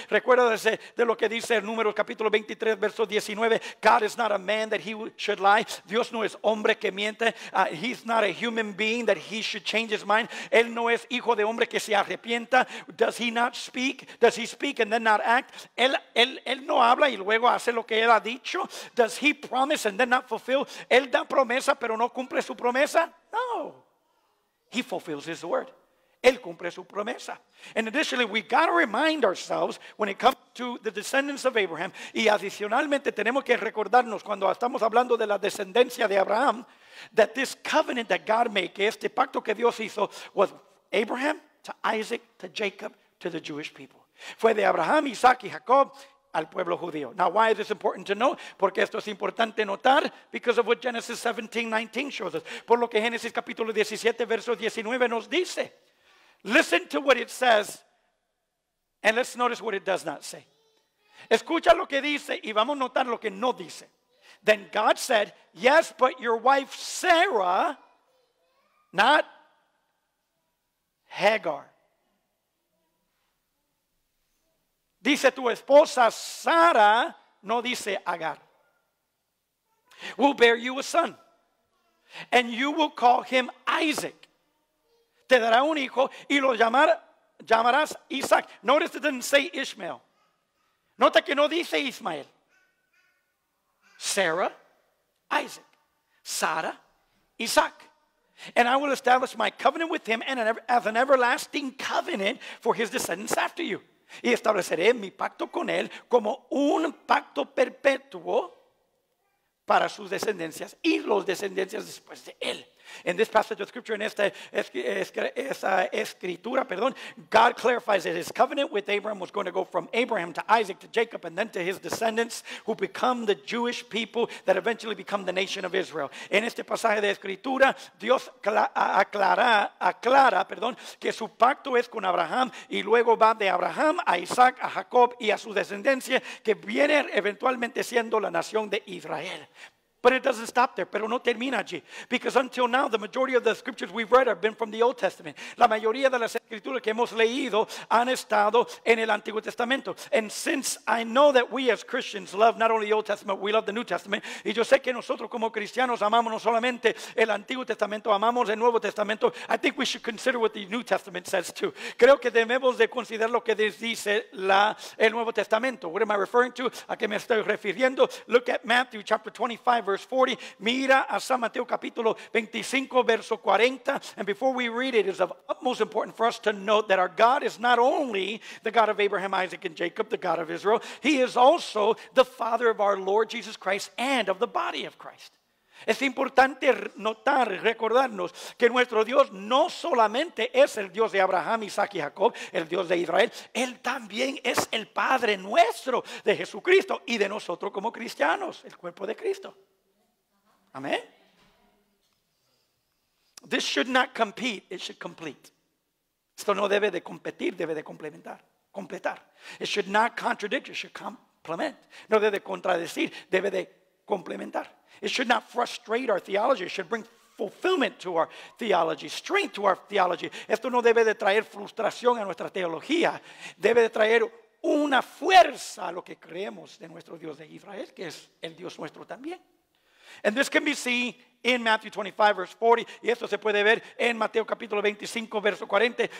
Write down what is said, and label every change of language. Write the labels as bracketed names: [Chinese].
[Spanish] Recuérdase de lo que dice el Número capítulo 23 verso 19. [English] God is not a man that he should lie. [Spanish] Dios no es hombre que miente. [English] He's not a human being that he should change his mind. [Spanish] Él no es hijo de hombre que se arrepienta. [English] Does he not speak? Does he speak and then not act? [Spanish] Él no habla y luego hace lo que él ha dicho. [English] Does he promise and then not fulfill? [Spanish] Él da promesa pero no cumple su promesa. [English] No. He fulfills his word. [Spanish] Él cumple su promesa. [English] And additionally, we got to remind ourselves when it comes [Spanish] to the descendants of Abraham. Y adicionalmente tenemos que recordarnos cuando estamos hablando de la descendencia de Abraham, [English] that this covenant that God made, [Spanish] que este pacto que Dios hizo, [English] was Abraham to Isaac to Jacob to the Jewish people. [Spanish] Fue de Abraham, Isaac y Jacob al pueblo judío. [English] Now, why is this important to know? [Spanish] Porque esto es importante notar, [English] because of what Genesis 17:19 shows us. [Spanish] Por lo que Génesis capítulo 17, verso 19 nos dice. [English] Listen to what it says, and let's notice what it does not say. [Spanish] Escucha lo que dice y vamos a notar lo que no dice. [English] Then God said, yes, but your wife Sarah, not Hagar. [Spanish] Dice tu esposa Sara, no dice Agar. [English] Will bear you a son, and you will call him Isaac. [Spanish] Te dará un hijo y lo llamarás Isaac. [English] Notice it didn't say Ishmael. [Spanish] Nota que no dice Ismael. [English] Sarah, Isaac. Sarah, Isaac. And I will establish my covenant with him and as an everlasting covenant for his descendants after you. [Spanish] Y estableceré mi pacto con él como un pacto perpetuo para sus descendencias y los descendencias después de él. [English] In this passage of scripture, in [Spanish] esta escritura, [English] God clarifies that his covenant with Abraham was going to go from Abraham to Isaac to Jacob and then to his descendants who become the Jewish people that eventually become the nation of Israel. [Spanish] En este pasaje de escritura, Dios aclara, que su pacto es con Abraham y luego va de Abraham a Isaac, a Jacob y a su descendencia que viene eventualmente siendo la nación de Israel. [English] But it doesn't stop there. [Spanish] Pero no termina allí. [English] Because until now, the majority of the scriptures we've read have been from the Old Testament. [Spanish] La mayoría de las escrituras que hemos leído han estado en el Antiguo Testamento. [English] And since I know that we as Christians love not only the Old Testament, we love the New Testament. [Spanish] Y yo sé que nosotros como cristianos amamos no solamente el Antiguo Testamento, amamos el Nuevo Testamento. [English] I think we should consider what the New Testament says too. [Spanish] Creo que debemos de considerar lo que dice el Nuevo Testamento. [English] What am I referring to? [Spanish] ¿A qué me estoy refiriendo? [English] Look at Matthew chapter 25. Verse 40, [Spanish] mira a San Mateo capítulo 25 verso 40, [English] and before we read it, it's of utmost importance for us to note that our God is not only the God of Abraham, Isaac, and Jacob, the God of Israel, he is also the Father of our Lord Jesus Christ and of the body of Christ. [Spanish] Es importante notar, recordarnos que nuestro Dios no solamente es el Dios de Abraham, Isaac y Jacob, el Dios de Israel, él también es el Padre nuestro de Jesucristo y de nosotros como cristianos, el cuerpo de Cristo. Amén. [English] This should not compete, it should complete. [Spanish] Esto no debe de competir, debe de completar. [English] It should not contradict, it should complement. [Spanish] No debe de contradecir, debe de complementar. [English] It should not frustrate our theology. It should bring fulfillment to our theology, strength to our theology. [Spanish] Esto no debe de traer frustración a nuestra teología. Debe de traer una fuerza a lo que creemos de nuestro Dios de Israel, que es el Dios nuestro también. [English] And this can be seen in Matthew 25, verse 40. [Spanish] Y esto se puede ver en Mateo capítulo 25, verso 40.